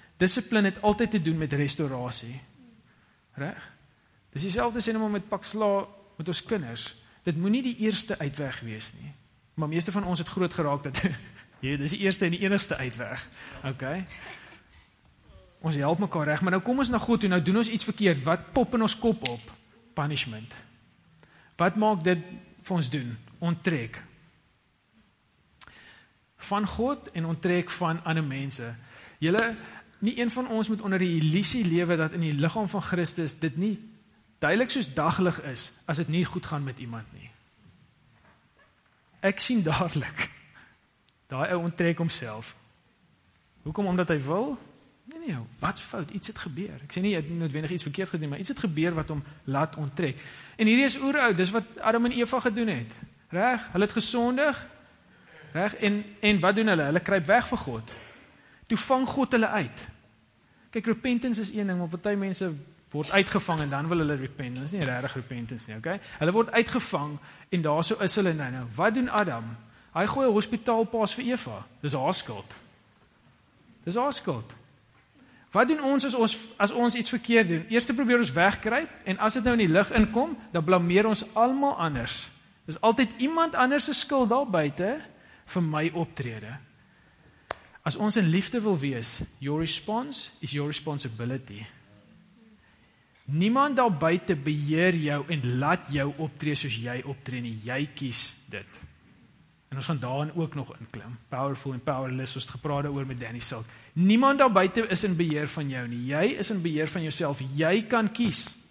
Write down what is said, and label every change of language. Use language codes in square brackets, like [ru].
[af] Discipline het altyd te doen met restaurasie. Reg? Dis dieselfde sê nou met pak sla met ons kinders. Dit moet nie die eerste uitweg wees nie. Maar meeste van ons het groot geraak dat dis die eerste en die enigste uitweg. Okay? Ons help mekaar reg, maar nou kom ons na God toe, nou doen ons iets verkeerd. Wat pop in ons kop op? Punishment. Wat maak dit vir ons doen? Onttrek. Van God en onttrek van ander mense. Julle, nie een van ons moet onder die illusie lewe dat in die liggaam van Christus dit nie duidelik soos daglig is, as dit nie goed gaan met iemand nie. Ek sien dadelik, daai ou onttrek homself. Hoekom? Omdat hy wil? Nee, wat fout? Iets het gebeur. Ek sê nie, jy het noodwendig iets verkeerd gedoen, maar iets het gebeur wat hom laat onttrek. En hierdie is oeroud, dis wat Adam en Eva gedoen het. Reg? Hulle het gesondig. Reg? En wat doen hulle? Hulle kruip weg vir God. Toe vang God hulle uit. Kyk, repentance is een ding, maar party mense word uitgevang en dan wil hulle repent. Dit is nie regtig repentance nie, okay? Hulle word uitgevang en daarso is hulle nou. Wat doen Adam? Hy gooi 'n hospitaalpas vir Eva. Dis haar skuld. Dis haar skuld. Wat doen ons as ons iets verkeerd doen? Eerste probeer ons wegkruip en as dit nou in die lig inkom, dan blameer ons almal anders. Dis altyd iemand anders se skuld daar buite vir my optrede. As ons in liefde wil wees, [en] your response is your responsibility. [af] Niemand daar buite beheer jou en laat jou optree soos jy optree nie. Jy kies dit. En ons gaan daarin ook nog inklim. Powerful and powerless, ons het gepraat oor met Danny Silk. Niemand daar buite is in beheer van jou nie. Jy is in beheer van jouself. Jy kan kies.